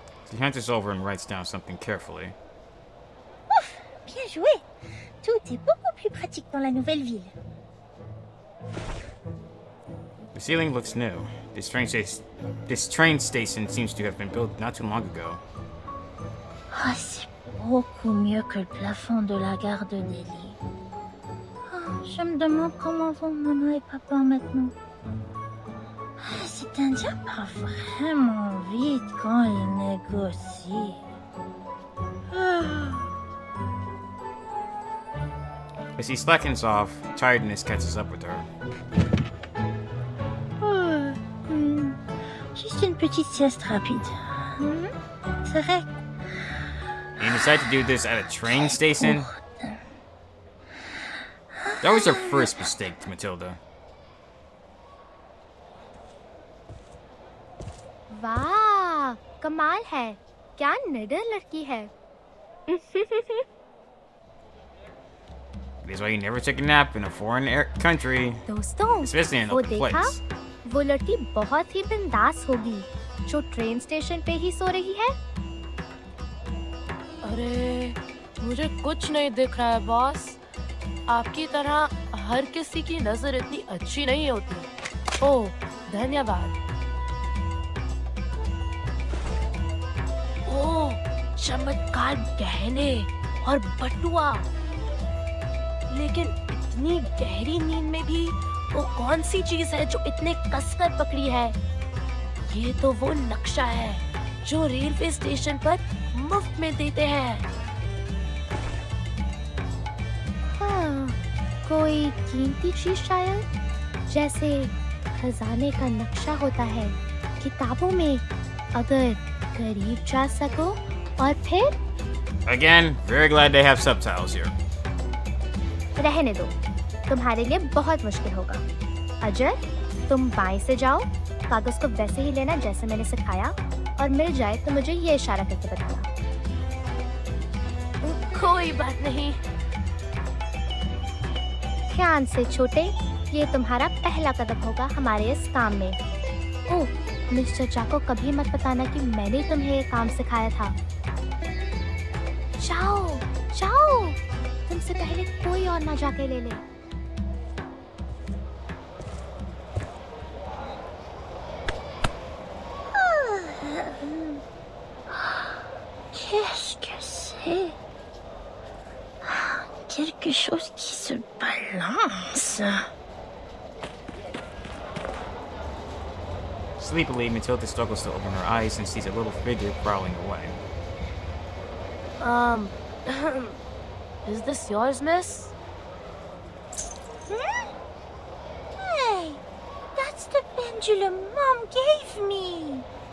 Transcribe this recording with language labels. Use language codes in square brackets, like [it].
[en] He hands this over and writes down something carefully. [fr] Ouf! Bien joué! Tout est beaucoup plus pratique dans la nouvelle ville. [en] The ceiling looks new. This train station seems to have been built not too long ago. [fr] Oh, c'est beaucoup mieux que le plafond de la gare de Delhi. Oh, je me demande comment vont maman et papa maintenant. Oh, cet Indien part vraiment vite quand il négocie. [en] As he slackens off, tiredness catches up with her. [fr] Just une petite sieste rapide. C'est vrai. [en] You decide to do this at a train station? That was her first mistake, Matilda. [hi] Wow, kamal hai. Kya nidar ladki hai. [en] That's why you never took a nap in a foreign country. [hi] Doston, [en] especially in an open place. [hi] वो लड़की बहुत ही बिंदास होगी, जो train station पे ही सो रही है। अरे, मुझे कुछ नहीं दिख रहा है, बॉस। आपकी तरह हर किसी की नजर इतनी अच्छी नहीं होती। ओह, धन्यवाद। ओह, चमत्कार गहने और बटुआ। लेकिन इतनी गहरी नींद में भी वो कौन सी चीज़ है जो इतने कसकर पकड़ी है? ये तो वो नक्शा है जो रेलवे स्टेशन पर मुफ्त में देते हैं। हाँ, कोई कीमती चीज़ शायद, जैसे खजाने का नक्शा होता है किताबों में, अगर करीब जा सको और फिर। [en] Again, very glad they have subtitles here. [hi] रहने दो। तुम्हारे लिए बहुत मुश्किल होगा। अजय, तुम बाएं से जाओ, कागज को वैसे ही लेना जैसे मैंने सिखाया, और मिल जाए तो मुझे ये इशारा करके बताना। कोई बात नहीं। ध्यान से छोटे, ये तुम्हारा पहला कदम होगा हमारे इस काम में। ओह, मिस्टर जाको कभी मत बताना कि मैंने तुम्हें ये काम सिखाया था। जाओ, जाओ। तुमसे पहले कोई और ना जाके ले ले। [fr] Qu'est-ce que c'est? Quelque chose qui se balance. [en] Sleepily, Matilda struggles to open her eyes and sees a little figure crawling away. Is this yours, miss? Hmm? Hey, that's the pendulum Mom gave me.